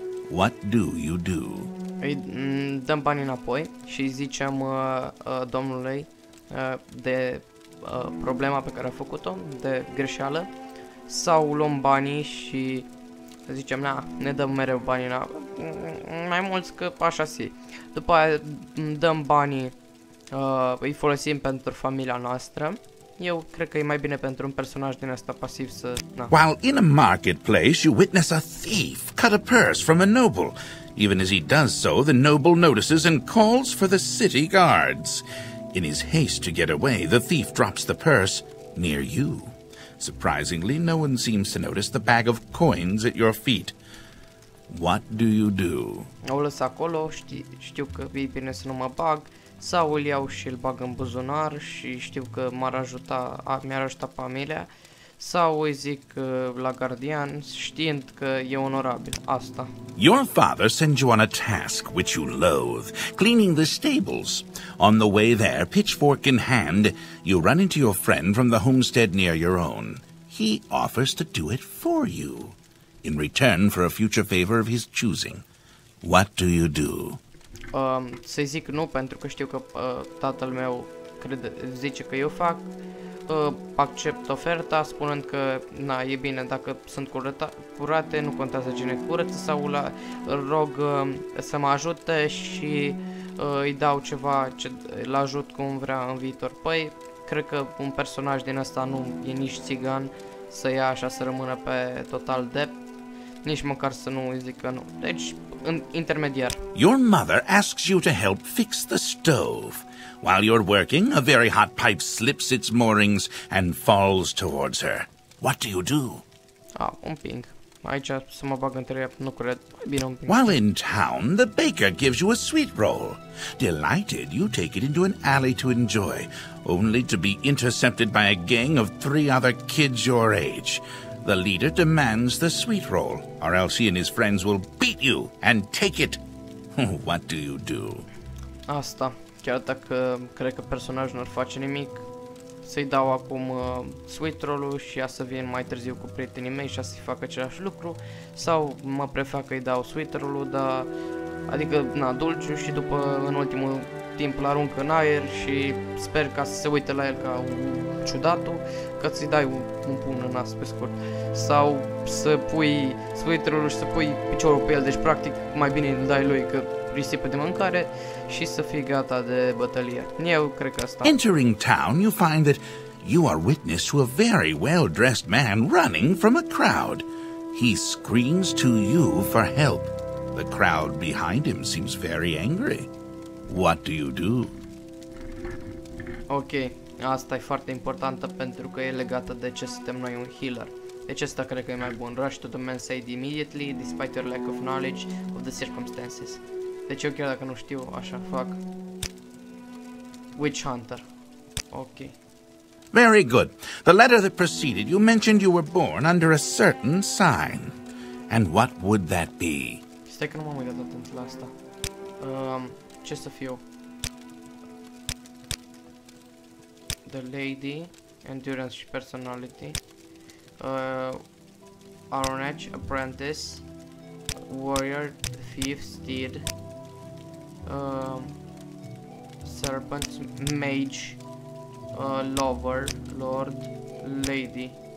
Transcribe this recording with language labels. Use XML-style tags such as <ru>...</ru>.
<en>What do you do?</en> <ro>Îi dăm banii înapoi și zicem domnului de problema pe care a făcut-o, de greșeală, sau luăm banii și zicem, na, ne dăm mereu banii, na, mai mulți că așa si. După aia dăm banii, îi folosim pentru familia noastră. Eu cred că e mai bine pentru un personaj din ăsta pasiv să, na.</ro> <en>While in a marketplace, you witness a thief cut a purse from a noble. Even as he does so, the noble notices and calls for the city guards. In his haste to get away, the thief drops the purse near you. Surprisingly, no one seems to notice the bag of coins at your feet. What do you do?</en> <ro>O lăs acolo, știu că e bine să nu mă bag, sau îl iau și îl bag în buzunar și știu că mi-ar ajuta familia, sau îi zic la gardian, știind că e onorabil, asta.</ro> <en>Your father sends you on a task which you loathe, cleaning the stables. On the way there, pitchfork in hand, you run into your friend from the homestead near your own. He offers to do it for you, in return for a future favor of his choosing. What do you do?</en> <ro>Să-i zic nu, pentru că știu că tatăl meu zice că eu fac. Accept oferta, spunând că na, e bine, dacă sunt curate, nu contează cine curăță, sau îl rog să mă ajute și îi dau ceva ce îl ajut cum vrea în viitor. Păi, cred că un personaj din ăsta nu e nici țigan să ia așa să rămână pe total dept, nici măcar să nu îi zică nu. Deci, intermediar.</ro> <en>Your mother asks you to help fix the stove. While you're working, a very hot pipe slips its moorings and falls towards her. What do you do?</en> <ro>Un ping. Aici să mă bag între ea, nu cred. Bine, un ping.</ro> <en>While in town, the baker gives you a sweet roll. Delighted, you take it into an alley to enjoy, only to be intercepted by a gang of three other kids your age. The leader demands the sweet roll, or else he and his friends will beat you and take it. What do you do?</en> <ro>Asta. Chiar dacă cred că personajul nu-l face nimic, să-i dau acum sweet roll-ul și ea să vin mai târziu cu prietenii mei și ea să-i facă același lucru, sau mă prefer că-i dau sweet roll-ul, dar adică, na, dulciu și după, în ultimul timp, îl arunc în aer și sper ca să se uite la el ca un ciudatul, că ți-i dai un pumn în nas, pe scurt. Sau să pui sweet roll-ul și să pui piciorul pe el, deci, practic, mai bine îl dai lui, că risipă de mâncare și să fie gata de bătălie. Eu cred că asta.</ro> <en>Entering town, you find that you are witness to a very well-dressed man running from a crowd. He screams to you for help. The crowd behind him seems very angry. What do you do?</en> <ro>Ok, asta e foarte importantă pentru că e legată de ce suntem noi un healer. Deci asta cred că e mai bun.</ro> <en>Rush to the man's aid immediately, despite your lack of knowledge of the circumstances.</en> <ro>Deci eu chiar dacă nu știu, așa fac.</ro> <en>Witch Hunter. Ok. Very good. The letter that preceded, you mentioned you were born under a certain sign. And what would that be?</en> <ro>Stai că nu m-am uitat atent la asta. Ce să fiu?</ro> <en>The lady, endurance și personality. Iron Edge, apprentice, warrior, thief, steed, serpent, mage, lover, lord, lady.</en>